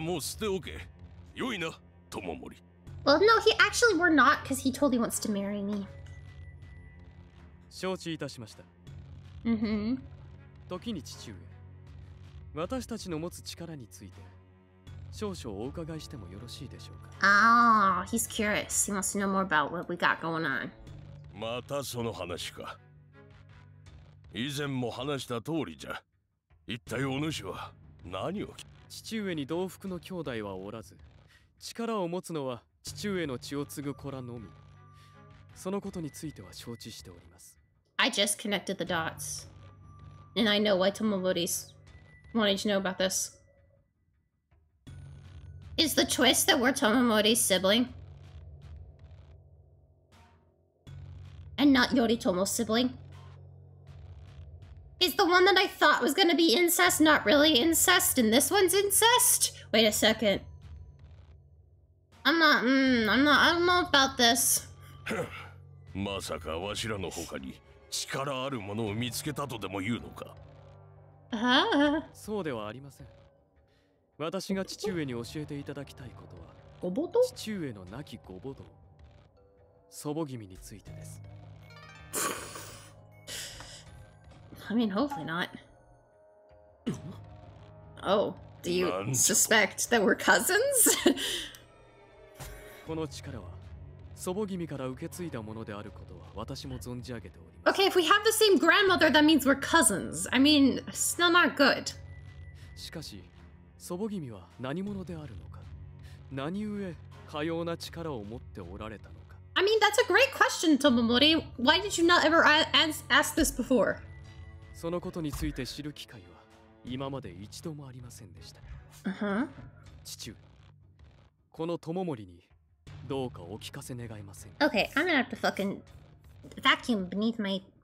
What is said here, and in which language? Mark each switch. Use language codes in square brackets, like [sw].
[en] no, he actually were not, because he totally wants to marry me. [ja] 承知いたしました。 Mm-hmm. 時に父上、私たちの持つ力について少々お伺いしてもよろしいでしょうか。 [en] Oh, he's curious. He wants to know more about what we got going on. [ja] またその話か。以前も話した通りじゃ。一体お主は何を。父上に同福の兄弟はおらず、力を持つのは父上の血を継ぐ子らのみ。そのことについては承知しております。 [en] I just connected the dots. And I know why Tomomori's wanting to know about this. Is the twist that we're Tomomori's sibling? And not Yoritomo's sibling? Is the one that I thought was gonna be incest not really incest and this one's incest? Wait a second. I'm not about this. [ja] まさかわしらの他に力あるものを見つけたとでも言うのか。そうではありません。私が父上に教えていただきたいことは、ごぼと父上の亡きごぼと、祖母君についてです。 [en] I mean, hopefully not. Oh, do you suspect that we're cousins? [ja] この力は祖母君から受け継いだものであることは私も存じ上げております。 [en] Okay, if we have the same grandmother, that means we're cousins. I mean, still not good. [ja] しかし、祖母君は何者であるのか、何故かような力を持っておられたのか。 [en] I mean, that's a great question, Tomomori. Why did you not ever ask this before? [ja] そのことについて知る機会は今まで一度もありませんでした。父上、この Tomomori に。どうかお聞かせ願いません。 [en] Okay, I'm gonna have to fucking vacuum beneath my.